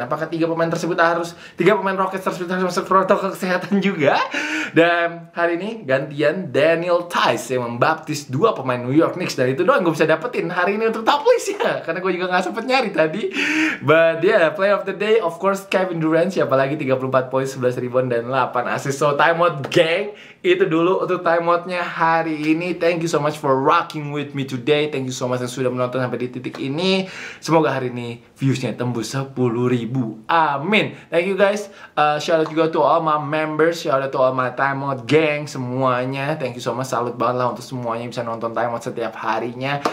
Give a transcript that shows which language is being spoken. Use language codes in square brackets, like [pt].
[id] Apakah 3 pemain tersebut harus, 3 pemain Rockets tersebut harus masuk protokol kesehatan juga? Dan hari ini gantian Daniel Tice yang membaptis 2 pemain New York Knicks. Dan itu doang gue bisa dapetin hari ini untuk top listnya, karena gue juga gak sempet nyari tadi. [en] But yeah, player of the day of course Kevin Durant. [id] Siapa lagi? [en] 34 poin, 11 rebound, dan 8 assist. So timeout gang, [id] itu dulu untuk timeoutnya hari ini. [en] Thank you so much for rocking with me today. Thank you so much [id] yang sudah menonton sampai di titik ini. Semoga hari ini viewsnya tembus 10.000. [en] Amin. Thank you guys. Shout out juga to all my members. Shout out to all my timeout gang semuanya. Thank you so much. [id] Salut banget lah untuk semuanya yang bisa nonton timeout setiap harinya.